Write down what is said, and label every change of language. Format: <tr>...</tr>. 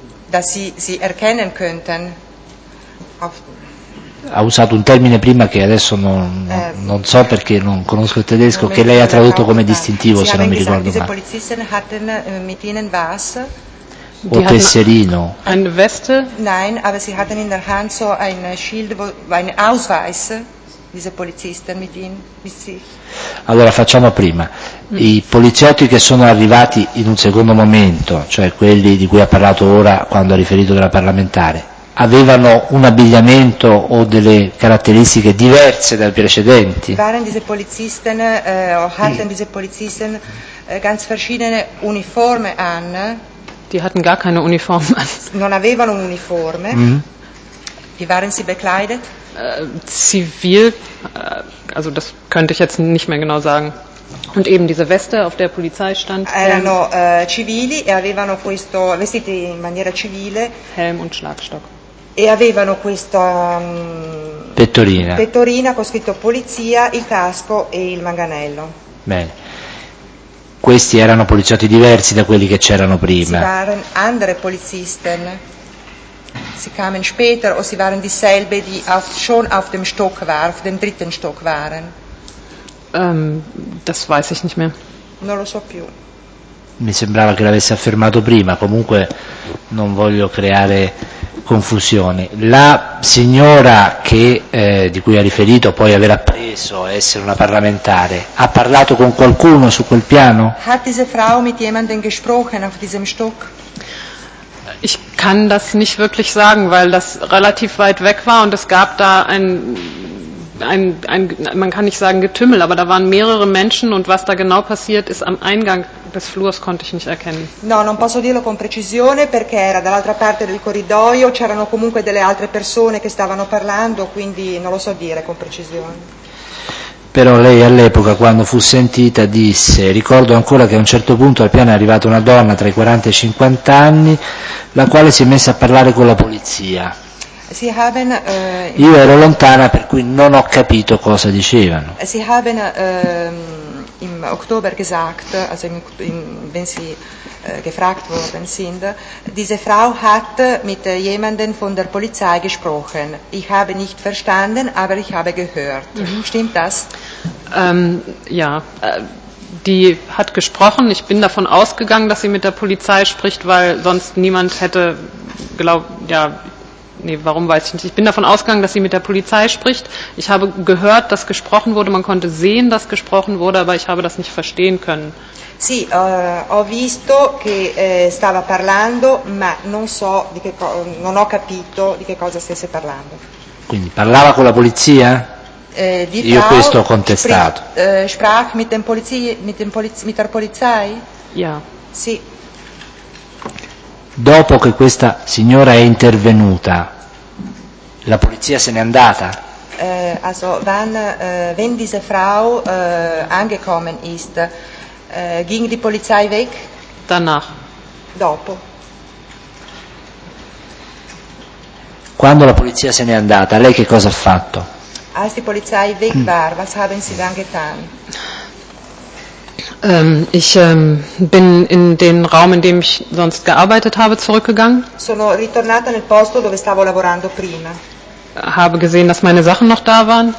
<de>dass sie erkennen könnten.</de> <it>Ha usato un termine prima che adesso non so perché non conosco il tedesco, che lei ha tradotto come distintivo, se non mi ricordo male.</it> <de>Diese Polizisten hatten mit ihnen was?</de> <it>O tesserino.</it> <de>Eine Weste? Nein, aber sie hatten in der Hand so ein Schild, ein Ausweis. Diese Polizisten mit ihnen, mit sich.</de> <it>Allora facciamo prima. I poliziotti che sono arrivati in un secondo momento, cioè quelli di cui ha parlato ora quando ha riferito della parlamentare, avevano un abbigliamento o delle caratteristiche diverse dai precedenti?</it> <de>Waren diese Polizisten hatten diese Polizisten ganz verschiedene Uniformen an? Die hatten gar keine Uniform.</de> <it>Non avevano un uniforme.</it> <de>Wie waren sie bekleidet? Zivil, also das könnte ich jetzt nicht mehr genau sagen. Und eben diese Weste, auf der Polizei stand.</de> <it>Erano civili e avevano questo vestiti in maniera civile.</it> <de>Helm und Schlagstock.</de> <it>E avevano questa pettorina con scritto polizia, il casco e il manganello. Bene. Questi erano poliziotti diversi da quelli che c'erano prima.</it> <de>Sie waren andere Polizisten. Sie kamen später, o sie waren dieselbe, die schon auf dem Stock waren, auf dem dritten Stock waren. Das weiß ich nicht mehr.</de> <it>Non lo so più. Mi sembrava che l'avesse affermato prima, comunque non voglio creare confusione. La signora che di cui ha riferito poi aver appreso essere una parlamentare, ha parlato con qualcuno su quel piano?</it> <de>Hat diese Frau mit jemandem gesprochen auf diesem Stock? Ich kann das nicht wirklich sagen, weil das relativ weit weg war und es gab da ein man kann nicht sagen Getümmel, aber da waren mehrere Menschen und was da genau passiert ist am Eingang, des Flurs konnte ich nicht erkennen.</de> <it>No, non posso dirlo con precisione perché era dall'altra parte del corridoio, c'erano comunque delle altre persone che stavano parlando, quindi non lo so dire con precisione. Però lei all'epoca, quando fu sentita, disse: ricordo ancora che a un certo punto al piano è arrivata una donna tra i 40 e i 50 anni, la quale si è messa a parlare con la polizia.</it> <de>Sie haben,</de> <it>io ero lontana, per cui non ho capito cosa dicevano.</it> <de>Sie haben im Oktober gesagt, also wenn sie gefragt worden sind, diese Frau hat mit jemandem von der Polizei gesprochen. Ich habe nicht verstanden, aber ich habe gehört. Mhm. Stimmt das? Ja, die hat gesprochen. Ich bin davon ausgegangen, dass sie mit der Polizei spricht, weil sonst niemand hätte glaubt, ja. Nee, warum weiß ich nicht. Ich bin davon ausgegangen, dass sie mit der Polizei spricht. Ich habe gehört, dass gesprochen wurde. Man konnte sehen, dass gesprochen wurde, aber ich habe das nicht verstehen können.</de> <it>Sì, ho visto che stava parlando, ma non so di che non ho capito di che cosa stesse parlando. Quindi parlava con la polizia? Io questo ho contestato.</it> <de>Sprach mit dem mit der Polizei? Ja.</de> <it>Sì. Dopo che questa signora è intervenuta, la polizia se n'è andata?</it> <de>Also, wenn diese Frau angekommen ist, ging die Polizei weg? Danach.</de> <it>Dopo. Quando la polizia se n'è andata, lei che cosa ha fatto?</it> <de>Als die Polizei weg war, was haben Sie dann getan? Ich bin in den Raum, in dem ich sonst gearbeitet habe, zurückgegangen.</de> <it>Sono ritornata nel posto dove stavo lavorando prima.</it> <de>Habe gesehen, dass meine Sachen noch da waren.</de>